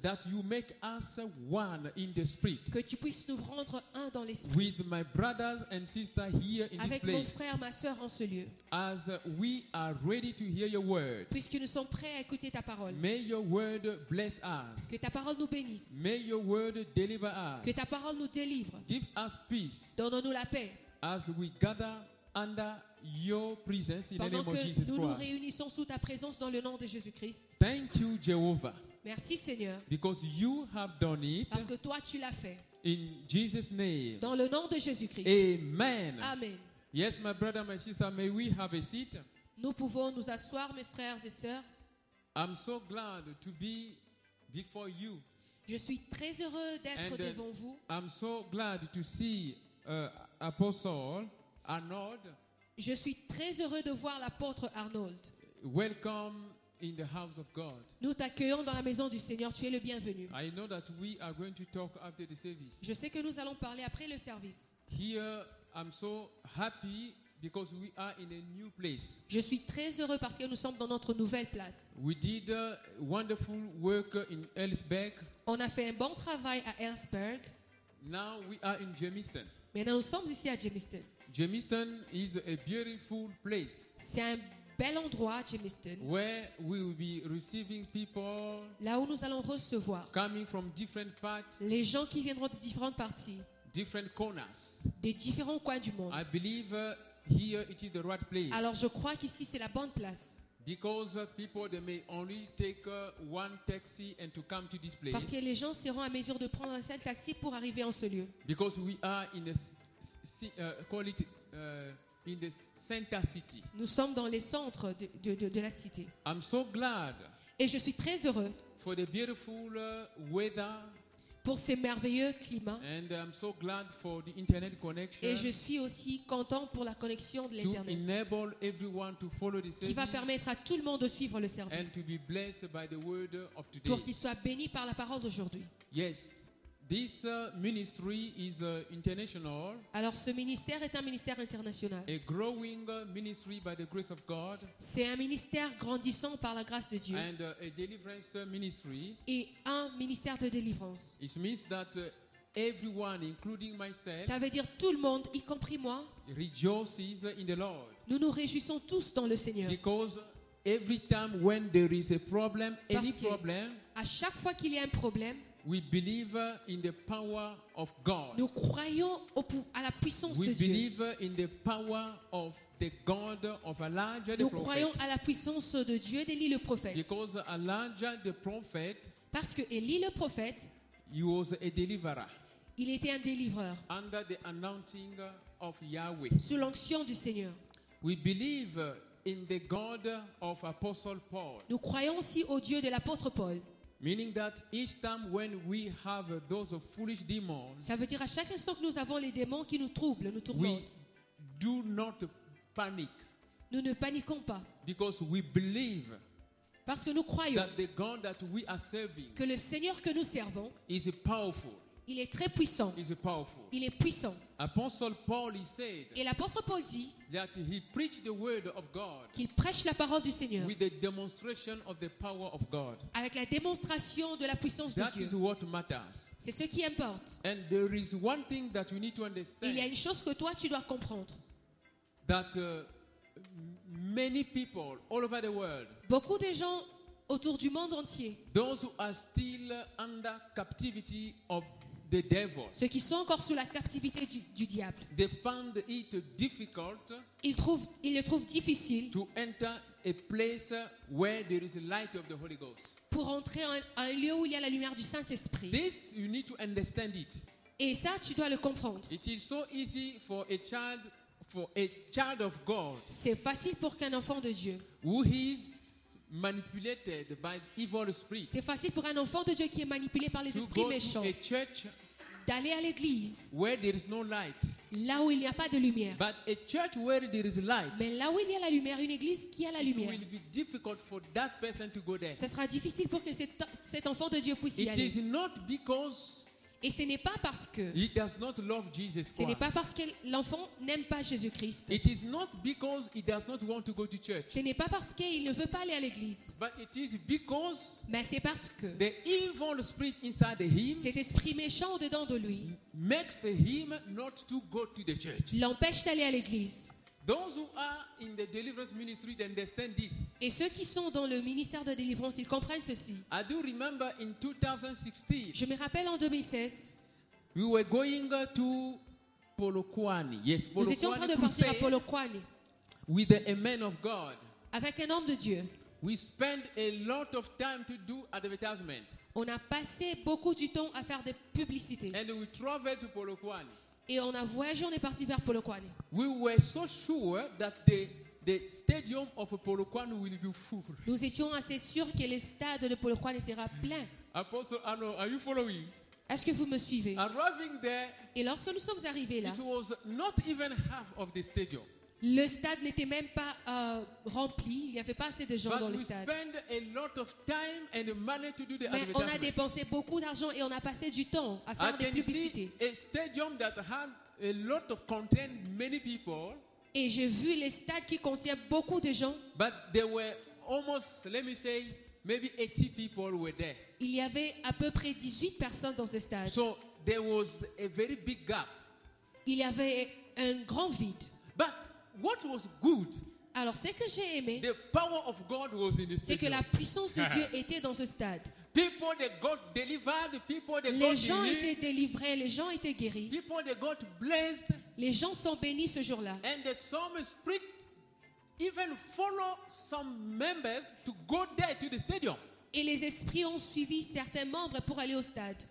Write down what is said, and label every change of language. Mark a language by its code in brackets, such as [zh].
[en] That you make us one in the spirit. [fr] Que tu puisses nous rendre un dans l'esprit. [en] With my brothers and sisters here in [fr] avec [en] this place. [fr] Avec mon frère, ma sœur, en ce lieu. [en] As we are ready to hear your word. [fr] Puisque nous sommes prêts à écouter ta parole. [en] May your word bless us. [fr] Que ta parole nous bénisse. [en] May your word deliver us. [fr] Que ta parole nous délivre. [en] Give us peace. [fr] Donne-nous la paix. [en] As we gather under your presence in the name of Jesus Christ. [fr] Nous nous réunissons sous ta présence dans le nom de Jésus-Christ. [en] Thank you, Jehovah. [fr] Merci, Seigneur. [en] Because you have done it. [fr] Parce que toi, tu l'as fait. [en] In Jesus' name. [fr] Dans le nom de Jésus-Christ. [en] Amen. [fr] Amen. [en] Yes, my brother, my sister, may we have a seat. [fr] Nous pouvons nous asseoir, mes frères et sœurs. [en] I'm so glad to be before you. [fr] Je suis très heureux d'être devant vous. [en] I'm so glad to see Apostle Arnold. [fr] Je suis très heureux de voir l'apôtre Arnold. [en] Welcome in the house of God. [fr] Nous t'accueillons dans la maison du Seigneur. Tu es le bienvenu. [en] I know that we are going to talk after the service. [fr] Je sais que nous allons parler après le service. [en] Here, I'm so happy because we are in a new place. [fr] Je suis très heureux parce que nous sommes dans notre nouvelle place. [en] We did wonderful work in Ellsberg. [fr] On a fait un bon travail à Ellsberg. [en] Now we are in Jamestown. [fr] Maintenant nous sommes ici à Jamestown. [en] Jamestown is a beautiful place. [fr] C'est un bel endroit, Jamestown. [en] Where we will be receiving people. [fr] Là où nous allons recevoir. [en] Coming from different parts. [fr] Les gens qui viendront de différentes parties. [en] Different corners. [fr] Des différents coins du monde. [en] I believe here it is the right place. [fr] Alors je crois qu'ici c'est la bonne place. [en] Because people they may only take one taxi and to come to this place. [fr] Parce que les gens seront à mesure de prendre un seul taxi pour arriver en ce lieu. [en] Because we are in a call it in the center city. [fr] Nous sommes dans les centres de la cité. [en] I'm so glad. [fr] Et je suis très heureux. [en] For the beautiful weather. [fr] Pour ces merveilleux climats. [en] And I'm so glad for the internet connection. [fr] Et je suis aussi content pour la connexion de l'internet. [en] To enable everyone to follow the service. [fr] Qui va permettre à tout le monde de suivre le service. [en] And to be blessed by the word of today. [fr] Pour qu'il soit béni par la parole d'aujourd'hui. [en] Yes. This ministry is international. [fr] Alors ce ministère est un ministère international. [en] A growing ministry by the grace of God. [fr] C'est un ministère grandissant par la grâce de Dieu. [en] And a deliverance ministry. [fr] Et un ministère de délivrance. [en] It means that everyone including myself. [fr] Ça veut dire tout le monde y compris moi. [en] Rejoices in the Lord. [fr] Nous nous réjouissons tous dans le Seigneur. [en] Because every time when there is a problem, any problem. [fr] À chaque fois qu'il y a un problème. [en] We believe in the power of God. [fr] Nous croyons à la puissance [en] we [fr] de Dieu. [en] We believe in the power of the God of Elijah the prophet. [fr] Nous croyons à la puissance de Dieu d'Élie le prophète. [en] Because Elijah the prophet. [fr] Parce que Élie le prophète. [en] He was a deliverer. [fr] Il était un délivreur. [en] Under the anointing of Yahweh. [fr] Sous l'onction du Seigneur. [en] We believe in the God of Apostle Paul. [fr] Nous croyons aussi au Dieu de l'apôtre Paul. [en] Meaning that each time when we have those foolish demons, [fr] ça veut dire à chaque instant que nous avons les démons qui nous troublent, nous tourmentent. [en] We do not panic. [fr] Nous ne paniquons pas. [en] Because we believe. [fr] Parce que nous croyons. [en] That the God that we are serving. [fr] Que le Seigneur que nous servons. [en] Is powerful. [fr] Il est très puissant. [en] Is powerful. [fr] Il est puissant. [en] Apostle Paul, he said. [fr] Et l'apôtre Paul dit. [en] That he preached the word of God. [fr] Qu'il prêche la parole du Seigneur. [en] With the demonstration of the power of God. [fr] Avec la démonstration de la puissance [en] that [fr] de Dieu. [en] That is what matters. [fr] C'est ce qui importe. [en] And there is one thing that you need to understand. [fr] Il y a une chose que toi tu dois comprendre. [en] That many people all over the world. [fr] Beaucoup de gens autour du monde entier. [en] Those who are still under captivity of the devil. [fr] Ceux qui sont encore sous la captivité du diable. [en] They find it difficult. [fr] Ils le trouvent difficile. [en] To enter a place where there is the light of the Holy Ghost. [fr] Pour entrer à un lieu où il y a la lumière du Saint-Esprit. [en] This you need to understand it. [fr] Et ça tu dois le comprendre. [en] It is so easy for a child of God. [fr] C'est facile pour qu'un enfant de Dieu. [en] Who is manipulated by evil spirits. [fr] C'est facile pour un enfant de Dieu qui est manipulé par les esprits méchants. [en] To go to a church [fr] d'aller à l'église. [en] Where there is no light. [fr] Là où il n'y a pas de lumière. [en] But a church where there is light. [fr] Mais là où il y a la lumière, une église qui a la [en] it [fr] lumière. [en] Will be difficult for that person to go there. [fr] Ce sera difficile pour que cet enfant de Dieu puisse y [en] it [fr] aller. [en] It is not because. [fr] Et ce n'est pas parce que. [en] He does not love Jesus Christ. [fr] Ce n'est pas parce que l'enfant n'aime pas Jésus Christ. [en] It is not because he does not want to go to church. [fr] Ce n'est pas parce qu'il ne veut pas aller à l'église. [en] But it is because. [fr] Mais c'est parce que. [en] The evil spirit inside him. [fr] Cet esprit méchant au-dedans de lui. [en] Makes him not to go to the church. [fr] L'empêche d'aller à l'église. [en] Those who are in the deliverance ministry they understand this. [fr] Et ceux qui sont dans le ministère de délivrance, ils comprennent ceci. [en] I do remember in 2016. [fr] Je me rappelle en 2016. [en] We were going to Polokwane. Yes, Polokwane. [fr] Nous étions en train de partir à Polokwane. [en] With a man of God. [fr] Avec un homme de Dieu. [en] We spent a lot of time to do advertisement. [fr] On a passé beaucoup du temps à faire des publicités. [en] And we traveled to Polokwane. [fr] Et on a voyagé, on est parti vers Polokwane. [en] We were so sure that the stadium of Polokwane will be full. [fr] Nous étions assez sûrs que le stade de Polokwane sera plein. [en] Apostle Arno, are you following? [fr] Est-ce que vous me suivez? [en] Arriving there, [fr] et lorsque nous sommes arrivés là, [en] it was not even half of the stadium. [fr] Le stade n'était même pas rempli, il n'y avait pas assez de gens [en] but [fr] dans [en] we [fr] le stade. [en] Spend a lot of time and money to do the [fr] mais on a dépensé beaucoup d'argent et on a passé du temps à faire [en] and [fr] des publicités. [en] A stadium that had a lot of contain many people. [fr] Et j'ai vu les stades qui contiennent beaucoup de gens. [en] But there were almost, let me say, maybe 80 people were there. [fr] Il y avait à peu près 18 personnes dans ce stade. [en] So there was a very big gap. [fr] Il y avait un grand vide. [en] But what was good? [fr] Alors ce que j'ai aimé, [en] the power of God was in the stadium. [fr] C'est que la puissance de Dieu était dans ce stade. [en] People they got delivered, people they [fr] les [en] got [fr] gens [en] healed. [fr] Étaient délivrés, les gens étaient guéris. [en] People they got blessed. [fr] Les gens sont bénis ce jour-là. [en] And the some spirit even follow some members to go there to the stadium. [fr] Et les esprits ont suivi certains membres pour aller au stade.